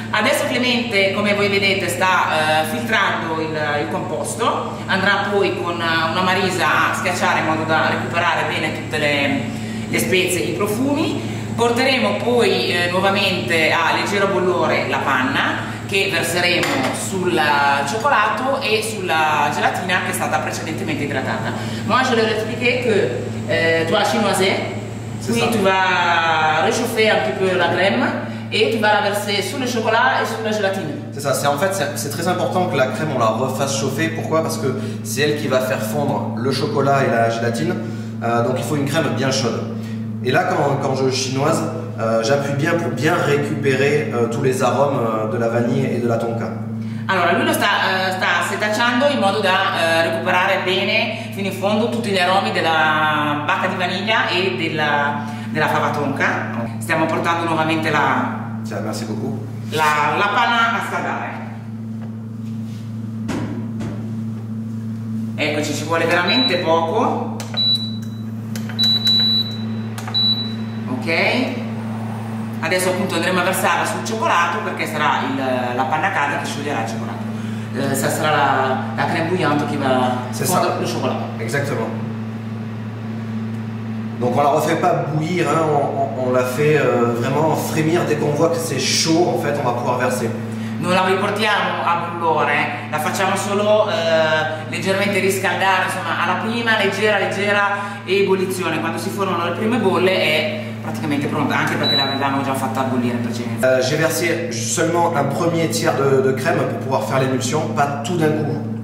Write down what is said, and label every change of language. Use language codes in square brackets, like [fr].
[it] Adesso Clemente, come voi vedete, sta filtrando il composto, andrà poi con una marisa a schiacciare in modo da recuperare bene tutte le spezie e i profumi. Porteremo poi nuovamente a leggero bollore la panna che verseremo sul cioccolato e sulla gelatina che è stata precedentemente idratata. [fr] Moi je leur expliquais que toi chinoise, qui tu vas réchauffer un petit peu la crème et tu vas la verser sur le chocolat et sur la gelatine. C'est ça, c'est très important que la crème on la refasse chauffer. Pourquoi? Parce que c'est elle qui va faire fondre le chocolat et la gélatine. Donc il faut une crème bien chaude. Et là quand je chinoise, j'appuie bien pour bien récupérer tous les arômes de la vanille et de la tonka. [it] Allora, lui lo sta setacciando in modo da recuperare bene fino in fondo tutti gli aromi della bacca di vaniglia e della fava tonka. Stiamo portando nuovamente la panna a scaldare. Eccoci, ci vuole veramente poco. Ok. Adesso appunto andremo a versarla sul cioccolato perché sarà la panna calda che scioglierà il cioccolato. Sarà [fr] la crème bouillante [it] che va a fondere il cioccolato. [fr] Exactement. Donc on la refait pas bouillir, hein, on la fait vraiment frémir. Dès qu'on voit que c'est chaud, en fait, on va pouvoir verser. [it] Non la riportiamo a bollore, la facciamo solo leggermente riscaldare, insomma, alla prima leggera ebollizione. Quando si formano le prime bolle è praticamente pronta, anche perché l'avevamo già fatta bollire in precedenza. [fr] J'ai versé seulement un premier tiers de crème pour pouvoir faire l'émulsion, pas tout d'un coup.